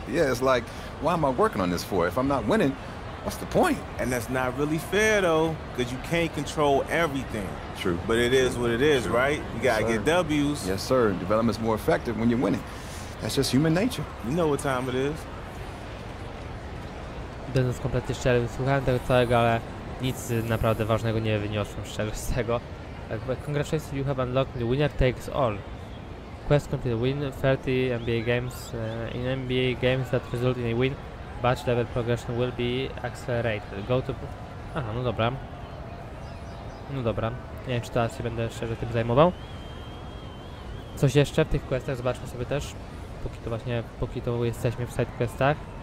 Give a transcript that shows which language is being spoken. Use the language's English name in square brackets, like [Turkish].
[English] Yeah, it's like, why am I working on this for? If I'm not winning, what's the point? And that's not really fair, though, because you can't control everything. True. But it is what it is, right? You gotta get W's. Yes, sir. Development's more effective when you're winning. That's just human nature. You know what time it is. [Polish] Będąc kompletnie szczery, słuchałem tego całego, ale nic naprawdę ważnego nie wyniosłem szczerze z tego. [English] Congratulations, you have unlocked the winner takes all. Quest complete, win 30 NBA games. In NBA games that result in a win, batch level progression will be accelerated. Go to... [Polish] Aha, no dobra. No dobra. Nie wiem, czy teraz się będę szczerze tym zajmował. Coś jeszcze w tych questach, zobaczmy sobie też. Póki to jesteśmy w side questach.